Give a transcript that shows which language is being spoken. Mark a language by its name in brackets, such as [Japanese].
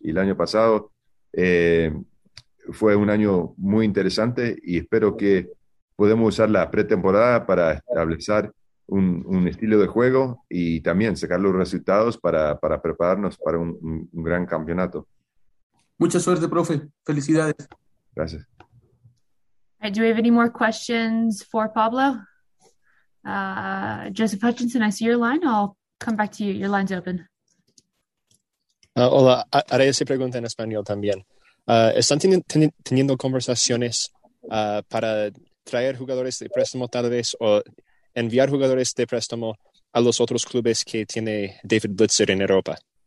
[Spanish] Y el año pasado fue un año muy interesante y espero que podemos usar la pretemporada para establecer un estilo de juego y también sacar los resultados para prepararnos para un gran campeonato. Mucha suerte, profe. Felicidades. Gracias. [English] Do we have any more questions for Pablo? Joseph Hutchinson, I see your line. I'll come back to you. Your line's open. [Spanish] Hola. Haré esa pregunta en español también. ¿Están teniendo conversaciones para traer jugadores de préstamo tal vez o enviar jugadores de préstamo a los otros clubes que tiene David Blitzer en Europa?